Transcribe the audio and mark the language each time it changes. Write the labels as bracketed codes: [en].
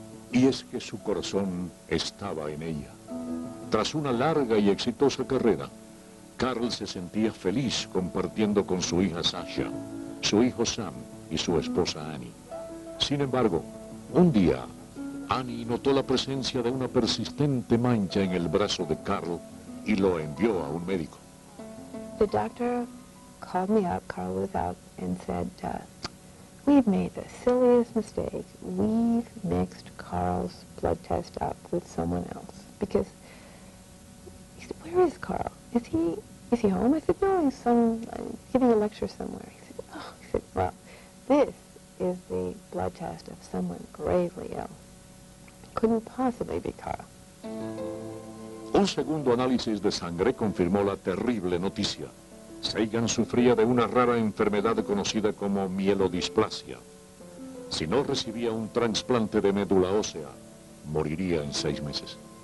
[es] Y es que su corazón estaba en ella. Tras una larga y exitosa carrera, Carl se sentía feliz compartiendo con su hija Sasha, su hijo Sam y su esposa Annie. Sin embargo, un día, Annie notó la presencia de una persistente mancha en el brazo de Carl y lo envió a un médico. [en] The doctor called me up, Carl was out, and said, we've made the silliest mistake. We've mixed Carl's blood test up with someone else. Because, he said, where is Carl? Is he home? I said, no, he's some, giving a lecture somewhere. He said, oh, he said, well, this is the blood test of someone gravely ill. Couldn't possibly be Carl. [es] Un segundo análisis de sangre confirmó la terrible noticia. Sagan sufría de una rara enfermedad conocida como mielodisplasia. Si no recibía un trasplante de médula ósea, moriría en 6 meses.